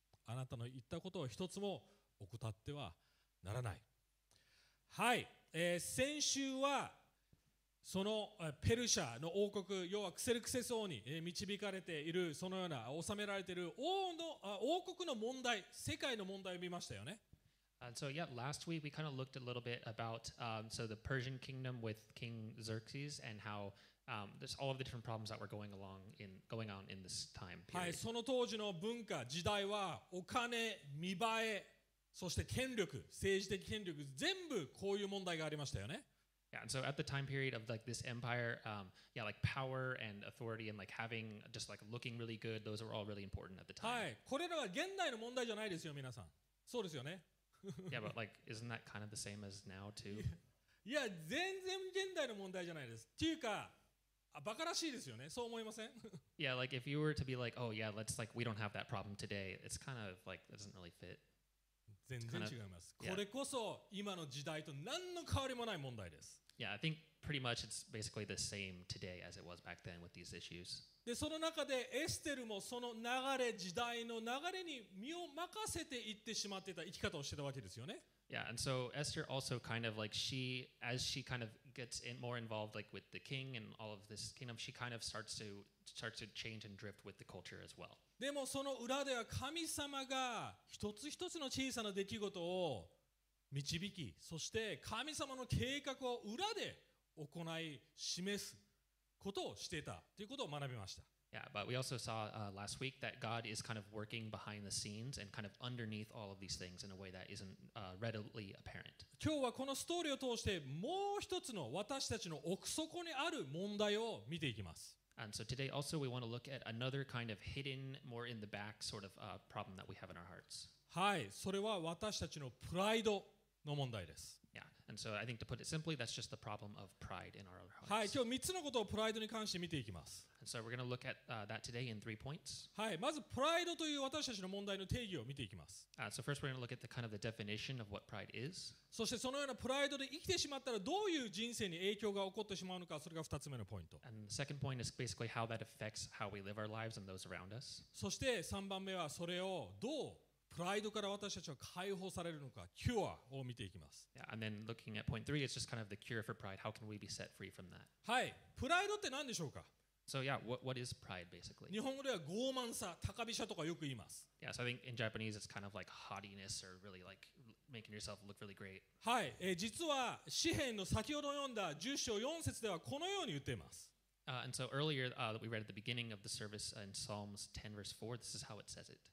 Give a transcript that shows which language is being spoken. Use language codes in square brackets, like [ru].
[ja] あなたの言ったことを一つも怠ってはならない。はい、先週はそのペルシャの王国、要はクセルクセ僧に導かれている、そのような治められている王の王国の問題、世界の問題を見ましたよね。 [en] And so, yeah, last week we kind of looked a little bit about the Persian kingdom with King Xerxes and how there's all of the different problems that were going on in this time period. [ja] はい、その当時の文化、時代はお金、見栄え、そして権力、政治的権力、全部こういう問題がありましたよね。 [en] Yeah, and so at the time period of like this empire, power and authority and like having just like looking really good, those were all really important at the time. [ja] はい、これらは現代の問題じゃないですよ、皆さん。そうですよね。 [en] Yeah, but like, isn't that kind of the same as now too? [ja] Yeah, 全然現代の問題じゃないです。っていうか、バカらしいですよね。そう思いません？ [en] Yeah, like if you were to be like, oh yeah, let's like, we don't have that problem today, it's kind of like, it doesn't really fit. [ja] 全然違います。これこそ今の時代と何の変わりもない問題です。 [en] Yeah, I think pretty much it's basically the same today as it was back then with these issues. [ja] で、その中でエステルもその流れ、時代の流れに身を任せていってしまってた生き方をしてたわけですよね。 [en] Yeah, and so Esther also kind of like she, as she kind of gets in more involved like with the king and all of this kingdom, she kind of starts to change and drift with the culture as well. [ja] でもその裏では神様が一つ一つの小さな出来事を導き、そして神様の計画を裏で行い、示すことをしていたということを学びました。 [en] Yeah, but we also saw last week that God is kind of working behind the scenes and kind of underneath all of these things in a way that isn't readily apparent. [ja] 今日はこのストーリーを通してもう一つの私たちの奥底にある問題を見ていきます。 [en] And so today also we want to look at another kind of hidden, more in the back sort of problem that we have in our hearts. [ja] はい、それは私たちのプライドの問題です。 [en] Yeah, and so I think to put it simply, that's just the problem of pride in our hearts. [ja] はい、今日3つのことをプライドに関して見ていきます。 [en] And so we're going to look at that today in three points. [ja] はい、まずプライドという私たちの問題の定義を見ていきます。 [en] So first we're going to look at the kind of the definition of what pride is. [ja] そしてそのようなプライドで生きてしまったらどういう人生に影響が起こってしまうのか、それが2つ目のポイント。 [en] And the second point is basically how that affects how we live our lives and those around us. [ja] そして3番目はそれをどうプライドから私たちは解放されるのか、キュアを見ていきます。 [en] Yeah, and then looking at point three, it's just kind of the cure for pride. How can we be set free from that? [ja] はい、プライドって何でしょうか？ [en] So yeah, what is pride basically? [ja] 日本語では傲慢さ、高飛車とかよく言います。 [en] Yeah, so I think in Japanese it's kind of like haughtiness or really like making yourself look really great. [ja] はい、実は詩編の先ほど読んだ10章4節ではこのように言っています。 [en] And so earlier that we read at the beginning of the service in Psalms 10 verse 4, this is how it says it.